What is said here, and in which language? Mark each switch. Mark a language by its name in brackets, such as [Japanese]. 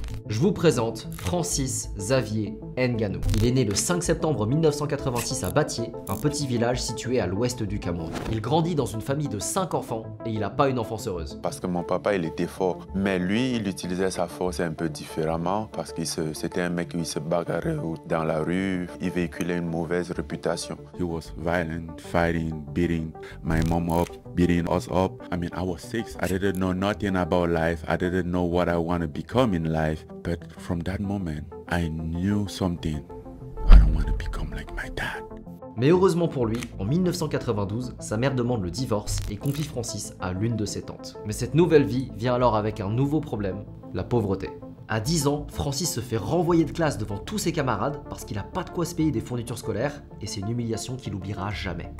[French] Je vous présente Francis Xavier Ngannou. Il est né le 5 septembre 1986 à Batié, un petit village situé à l'ouest du Cameroun. Il grandit dans une famille de 5 enfants et il n'a pas une enfance heureuse. Parce que mon papa, il était fort, mais lui, il utilisait sa force un peu différemment parce que c'était un mec qui se bagarrait dans la rue, il véhiculait une mauvaise réputation. [English] He was violent, fighting, beating my mom up, beating us up. I mean, I was 6, I didn't know nothing about life, I didn't know what I want to become in life. But from that moment, I knew something. I don't want to become like my dad. [French] Mais heureusement pour lui, en 1992, sa mère demande le divorce et confie Francis à l'une de ses tantes. Mais cette nouvelle vie vient alors avec un nouveau problème, la pauvreté. À 10 ans, Francis se fait renvoyer de classe devant tous ses camarades parce qu'il n'a pas de quoi se payer des fournitures scolaires et c'est une humiliation qu'il n'oubliera jamais.